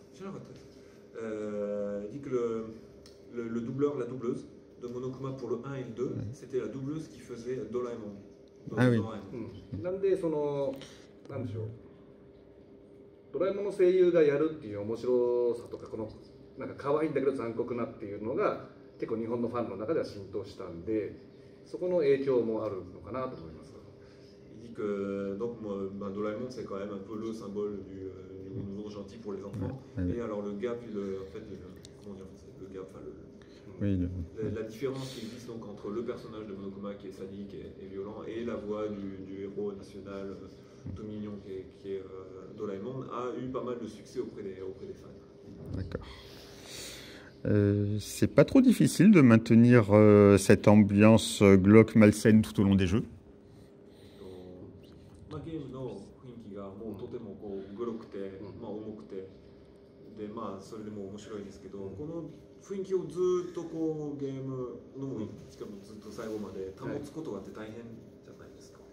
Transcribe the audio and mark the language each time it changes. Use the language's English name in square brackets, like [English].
[French] Il dit que le doubleur, la doubleuse de Monokuma pour le 1 et le 2, c'était la doubleuse qui faisait Doraemon. [Japanese] ああ、はい。なんで、その、なんでしょう、ドラえもんの声優がやるっていう面白さとか、このなんか可愛いんだけど残酷なっていうのが結構日本のファンの中では浸透したんで、そこの影響もあるのかなと思います。 [French] Que donc moi, ben, Doraemon c'est quand même un peu le symbole du monde gentil pour les enfants. Et alors le gap, en fait, comment dire, le gap, enfin, Oui, la différence qui existe donc entre le personnage de Monokuma qui est sadique et violent et la voix du héros national tout mignon qui est Doraemon a eu pas mal de succès auprès des fans. d'accord. C'est pas trop difficile de maintenir cette ambiance glauque malsaine tout au long des jeux. [Japanese] まあ、ゲームの雰囲気がもうとてもこうグロくて、まあ、重くて、で、まあ、それでも面白いんですけど、この雰囲気をずっとこうゲームの、しかもずっと最後まで保つことがって大変じゃないですか。